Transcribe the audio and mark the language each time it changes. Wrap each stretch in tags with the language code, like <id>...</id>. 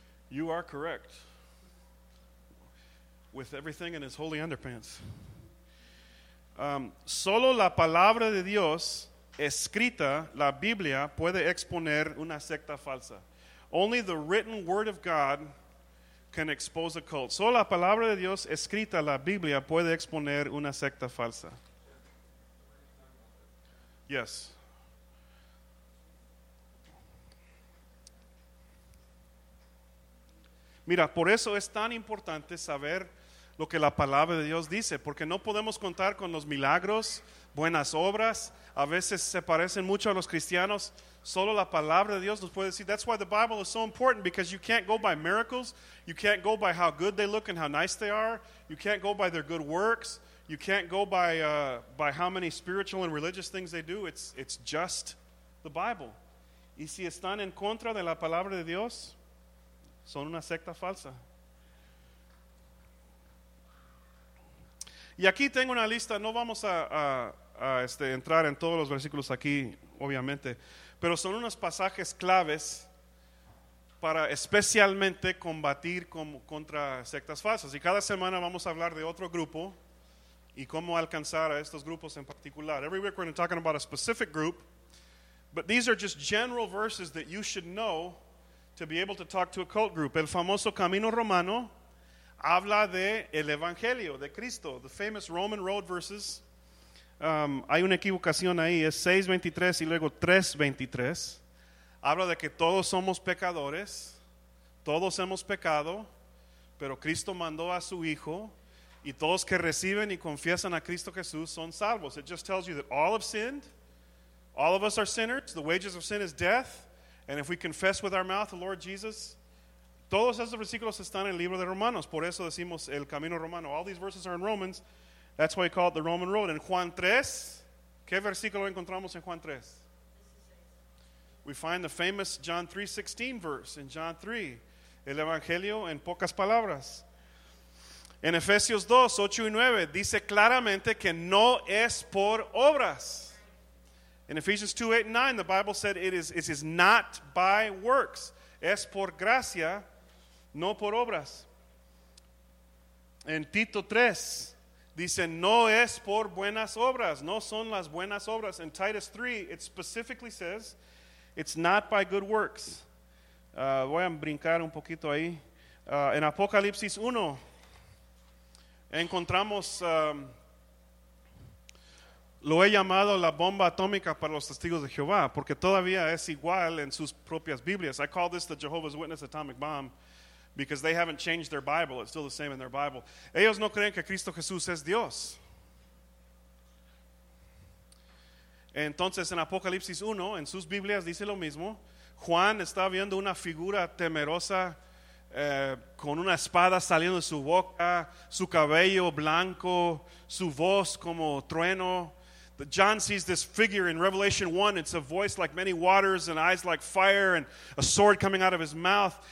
<en>You are correct. With everything in his holy underpants.</en> <es>Solo la palabra de Dios escrita, la Biblia, puede exponer una secta falsa.</es> <en>Only the written word of God can expose a cult.</en> <es>Solo la palabra de Dios escrita, la Biblia, puede exponer una secta falsa.</es> <en>Yes.</en> <es>Mira, por eso es tan importante saber lo que la palabra de Dios dice, porque no podemos contar con los milagros, buenas obras, a veces se parecen mucho a los cristianos, solo la palabra de Dios nos puede decir.</es> <en>That's why the Bible is so important, because you can't go by miracles, you can't go by how good they look and how nice they are, you can't go by their good works, you can't go by how many spiritual and religious things they do, it's just the Bible.</en> <es>Y si están en contra de la palabra de Dios, son una secta falsa. Y aquí tengo una lista. No vamos a entrar en todos los versículos aquí, obviamente. Pero son unos pasajes claves para especialmente combatir contra sectas falsas. Y cada semana vamos a hablar de otro grupo y cómo alcanzar a estos grupos en particular.</es> <en>Every week we're going to talk about a specific group. But these are just general verses that you should know to be able to talk to a cult group.</en> <es>El famoso Camino Romano habla de el Evangelio de Cristo.</es> <en>The famous Roman Road verses.</en> <es>Hay una equivocación ahí. Es 6:23 y luego 3:23. Habla de que todos somos pecadores. Todos hemos pecado. Pero Cristo mandó a su Hijo. Y todos que reciben y confiesan a Cristo Jesús son salvos.</es> <en>It just tells you that all have sinned. All of us are sinners. The wages of sin is death. And if we confess with our mouth the Lord Jesus,</en> <es>todos esos versículos están en el libro de Romanos. Por eso decimos el Camino Romano.</es> <en>All these verses are in Romans. That's why we call it the Roman Road. In Juan 3,</en> <es>¿qué versículo encontramos en Juan 3?</es> <en>We find the famous John 3:16 verse in John 3.</en> <es>El Evangelio en pocas palabras. En Efesios 2, 8 y 9, dice claramente que no es por obras.</es> <en>In Ephesians 2, 8, and 9, the Bible said it is not by works.</en> <es>Es por gracia, no por obras. In Tito 3, dice, no es por buenas obras. No son las buenas obras.</es> <en>In Titus 3, it specifically says, it's not by good works.</en> <es>Voy a brincar un poquito ahí. In Apocalipsis 1, encontramos... Lo he llamado la bomba atómica para los testigos de Jehová, porque todavía es igual en sus propias Biblias.</es> <en>I call this the Jehovah's Witness atomic bomb, because they haven't changed their Bible. It's still the same in their Bible.</en> <es>Ellos no creen que Cristo Jesús es Dios. Entonces, en Apocalipsis 1, en sus Biblias dice lo mismo. Juan está viendo una figura temerosa, con una espada saliendo de su boca, su cabello blanco, su voz como trueno.</es> <en>John sees this figure in Revelation 1. It's a voice like many waters and eyes like fire and a sword coming out of his mouth.</en>